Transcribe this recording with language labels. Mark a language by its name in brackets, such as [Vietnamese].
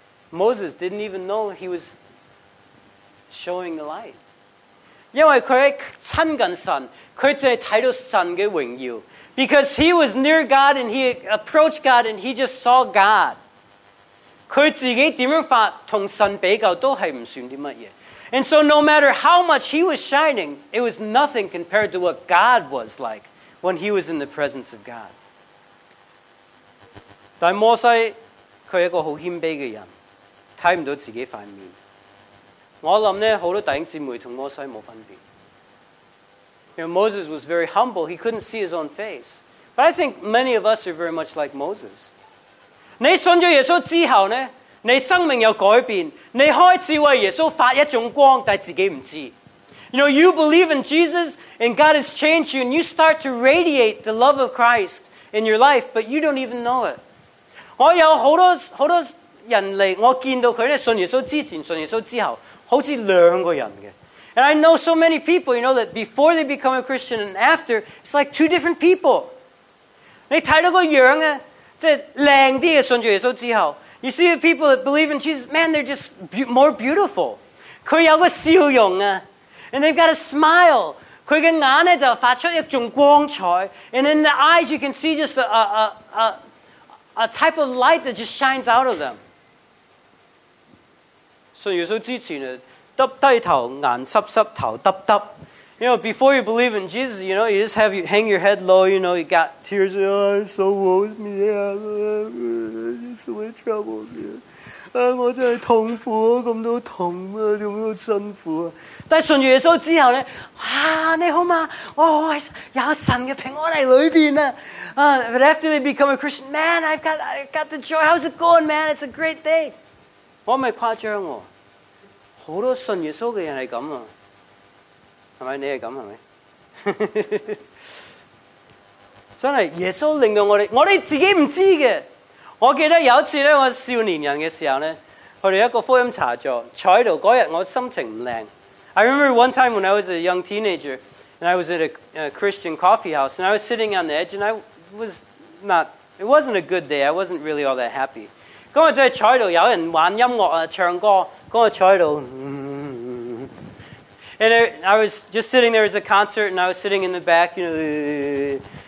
[English] Moses didn't even know he was showing the light. [Cantonese] 因为他亲近神，他只是看到神的荣耀。 [English] Because he was near God and he approached God and he just saw God. [Cantonese] 他自己怎样发跟神比较都是不算什么。 [English] And so no matter how much he was shining, it was nothing compared to what God was like when he was in the presence of God. [Cantonese] 但摩西他是一个很谦卑的人，看不到自己的面。我想呢，很多弟兄姊妹跟摩西没分别。 [English] You know, Moses was very humble, he couldn't see his own face. But I think many of us are very much like Moses. [Cantonese] 你信咗耶稣之后呢，你生命有改变，你开始为耶稣发一种光，但自己唔知。 [English] You know, you believe in Jesus and God has changed you and you start to radiate the love of Christ in your life, but you don't even know it. [Cantonese] 我有好多好多人嚟，我见到佢咧信耶稣之前、信耶稣之后，好似两个人嘅。 [English] And I know so many people, you know, that before they become a Christian and after, it's like two different people. [Cantonese] 你睇到个样啊？即系靓啲嘅信住耶稣之后 ， [English] you see the people that believe in Jesus, man, they're just more beautiful. [Cantonese] 佢有个笑容啊 [English] ，and they've got a smile. [Cantonese] 佢嘅眼咧就发出一种光彩 ， [English] and in the eyes you can see just a type of light that just shines out of them. [Cantonese] 信耶稣之前啊，耷低头，眼湿湿，头耷耷。 [English] You know, before you believe in Jesus, you know, you just have you hang your head low, you know, you got tears, oh, so woe is me, yeah, just so many troubles, yeah. [Cantonese] 我真的痛苦，这么多痛，有没有辛苦？但信耶稣之后呢，哇，你好吗？我有神的平安在里面啊。 [English] But after they become a Christian, man, I've got the joy, how's it going, man? It's a great day. [Cantonese] 我没夸张哦，好多信耶稣的人是这样啊。是不是你是这样是不是真的耶稣令到我们自己不知道的。我記得有一次咧，我少年人嘅時候咧，去到一個福音茶座，坐喺度嗰日我心情唔靚。 [English] I remember one time when I was a young teenager, and I was at a Christian coffee house, and I was sitting on the edge, and I was not. It wasn't a good day. I wasn't really all that happy. [Cantonese] 咁我就坐喺度，有人玩音樂啊，唱歌。咁我坐喺度。 [English] And I was just sitting there as a concert, and I was sitting in the back, you know.